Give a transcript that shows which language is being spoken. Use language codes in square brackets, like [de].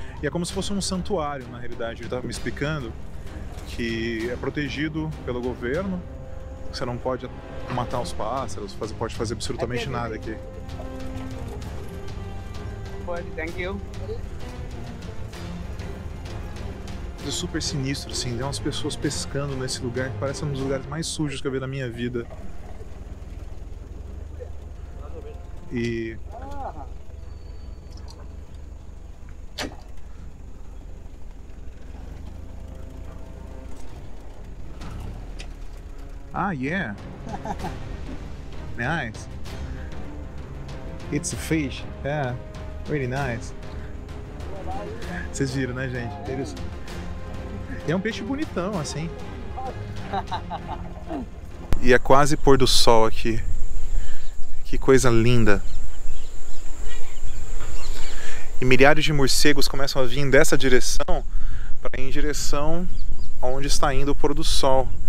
[pt] E é como se fosse um santuário, na realidade. Ele estava me explicando que é protegido pelo governo, você não pode matar os pássaros, pode fazer absolutamente nada aqui. Pode, [en] thank you. [pt] Super sinistro, assim, tem umas pessoas pescando nesse lugar que parece um dos lugares mais sujos que eu vi na minha vida. [en] E ah, yeah, nice, it's a fish, yeah, really nice. [pt] Vocês viram, né, gente? Eles... E é um peixe bonitão, assim. E é quase pôr do sol aqui. Que coisa linda. E milhares de morcegos começam a vir dessa direção para ir em direção aonde está indo o pôr do sol.